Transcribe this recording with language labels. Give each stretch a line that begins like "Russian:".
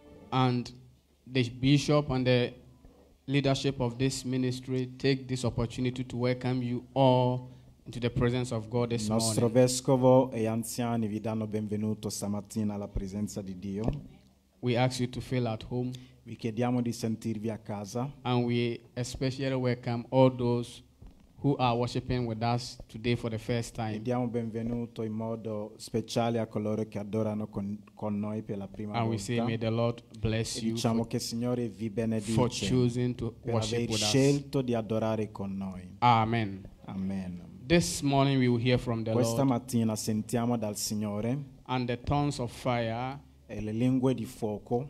English: And the bishop and the leadership of this ministry take this opportunity to welcome you all into the presence of God this morning.
Italian: Nostro vescovo e anziani vi danno benvenuto stamattina alla presenza di Dio.
English: We ask you to feel at home.
Italian: Vi chiediamo di sentirvi a casa.
English: And we especially welcome all those who are worshiping with us today for the first time.
Italian: E diamo benvenuto in modo speciale a coloro che adorano con noi per la prima
English: and And we say may the Lord bless you.
Italian: E diciamo che Signore vi benedice.
English: For choosing to worship with us. Per
Italian: scelto di adorare con noi.
English: Amen.
Italian: Amen.
English: This morning we will hear from the
Italian: questa
English: Lord.
Italian: Mattina sentiamo dal Signore.
English: And the tongues of fire.
Italian: E le lingue di fuoco.